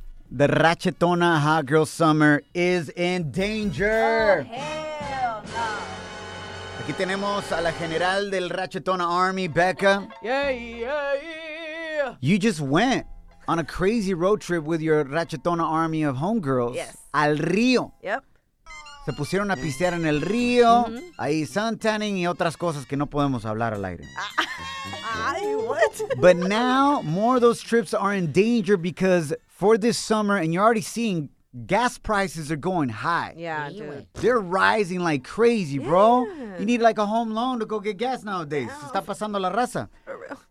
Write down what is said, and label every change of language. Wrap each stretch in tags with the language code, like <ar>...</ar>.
<en>The Ratchetona Hot Girl Summer is in danger. Oh, hell no.</en> <es>Aquí tenemos a la general del Ratchetona Army, Becca.</es> <en>Yeah. You just went on a crazy road trip with your Ratchetona army of homegirls. Yes.</en> <es>Al río.</es> <en>Yep.</en> <es>Se pusieron a pistear en el río. Mm-hmm. Ahí suntanning y otras cosas que no podemos hablar al aire.</es> <en>What? But now, more of those trips are in danger because for this summer, and you're already seeing, gas prices are going high. Yeah, dude. They're rising like crazy, yeah, bro. You need like a home loan to go get gas nowadays.</en> <es>Se está pasando la raza.</es> <en>For real.</en>